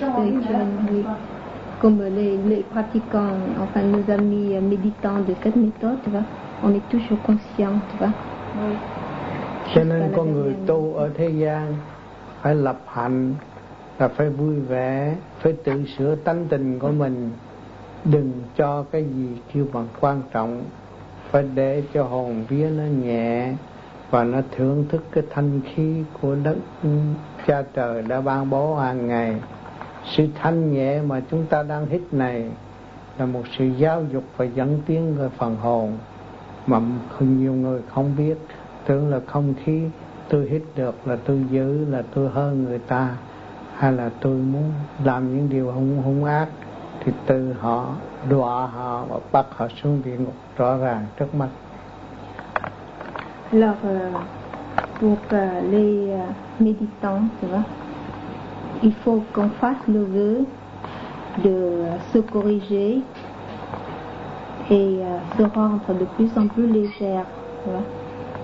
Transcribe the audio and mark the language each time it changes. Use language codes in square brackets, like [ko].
[fr] enfin, évolués, comme les pratiquants, enfin nos amis méditants de cette méthode, tu vois, on est toujours conscients, tu vois. Oui. [vi] Cho nên con người tu ở thế gian phải lập hạnh, là phải vui vẻ, phải tự sửa tánh tình của mình, đừng cho cái gì kêu bằng quan trọng, phải để cho hồn vía nó nhẹ và nó thưởng thức cái thanh khí của đất cha trời đã ban bố hàng ngày. Sự thanh nhẹ mà chúng ta đang hít này là một sự giáo dục và dẫn tiến về phần hồn mà nhiều người không biết, tưởng là không khí tôi hít được là tôi giữ, là tôi hơn người ta, hay là tôi muốn làm những điều hung ác, thì từ họ đọa họ và bắt họ xuống địa ngục rõ ràng trước mắt. [fr] Alors, pour les méditants, tu vois, il faut qu'on fasse le vœu de se corriger et se rendre de plus en plus légère. Tu vois.